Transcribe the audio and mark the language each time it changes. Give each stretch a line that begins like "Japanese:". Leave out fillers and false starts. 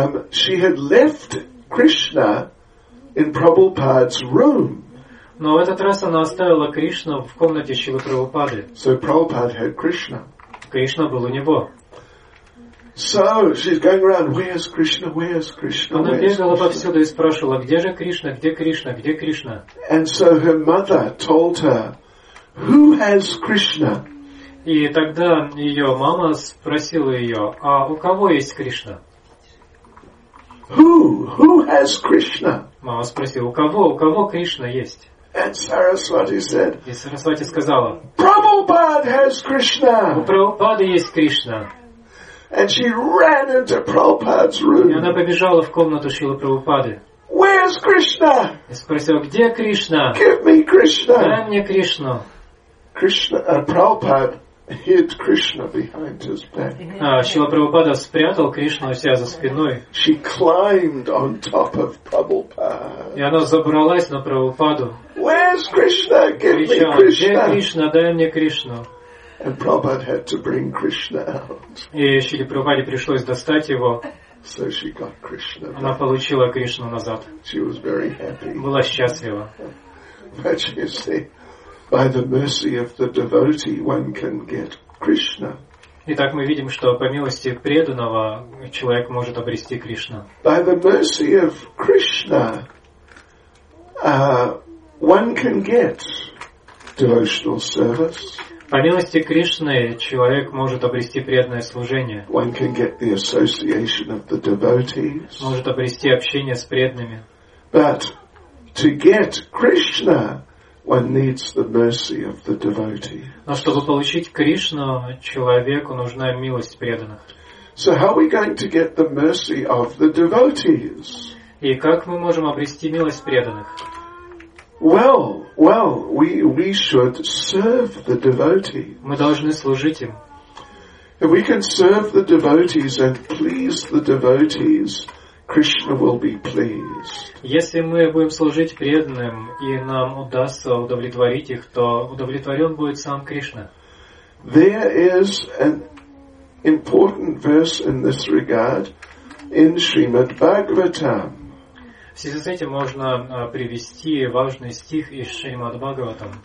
English: She had left Krishna in Prabhupada's room.
Russian: Но в этот раз она оставила Кришну в комнате Шрилы Прабхупады.
English: So Prabhupada had Krishna.
Russian: Кришна был у него.
English: So she's going around. Where's Krishna? Where's Krishna?
Russian: Она бегала повсюду и спрашивала, где же Кришна? Где Кришна? Где Кришна?
English: And so her mother told her, who has Krishna?
Russian: И тогда ее мама спросила ее, а у кого есть Кришна?
English: Who has Krishna?
Russian: Мама спросила, у кого Кришна есть?
English: And Saraswati said.
Russian: И Сарасвати сказала.
English: Prabhupada has Krishna.
Russian: У Прабхупады есть Кришна.
English: And she ran into Prabhupada's room.
Russian: И она побежала в комнату Шрилы Прабхупады.
English: Where's Krishna?
Russian: И спросила, где Кришна?
English: Give me Krishna.
Russian: Дай мне Кришну.
English: Krishna, Prabhupada hid Krishna behind his back.
Russian: Шрила Прабхупада спрятал Кришну у себя за спиной.
English: She climbed on top of Prabhupada.
Russian: И она забралась на Прабхупаду.
English: Where's Krishna? Give me Krishna.
Russian: Кричал, где Кришна? Дай мне Кришну.
English: And Prabhupada had to bring Krishna out.
Russian: И Шриле Прабхупаде пришлось достать его.
English: So she got Krishna back.
Russian: Она получила Кришну назад.
English: She was very happy.
Russian: Была счастлива.
English: But you see, by the mercy of the devotee, one can get Krishna.
Russian: Итак, мы видим, что по милости преданного человек может обрести Кришну.
English: By the mercy of Krishna, one can get devotional service.
Russian: По милости Кришны человек может обрести преданное служение.
English: One can get the association of the devotees.
Russian: Может обрести общение с преданными.
English: But to get Krishna, one needs the mercy of the devotees.
Russian: Но чтобы получить Кришну, человеку нужна милость преданных.
English: So how are we going to get the mercy of the devotees?
Russian: И как мы можем обрести милость преданных?
English: Well, we should serve the devotee.
Russian: Мы должны служить им.
English: If we can serve the devotees and please the devotees, Krishna will be pleased.
Russian: Если мы будем служить преданным и нам удастся удовлетворить их, то удовлетворен будет сам Кришна.
English: There is an important verse in this regard in Srimad Bhagavatam.
Russian: В связи с этим можно привести важный стих из Шримад Бхагаватам.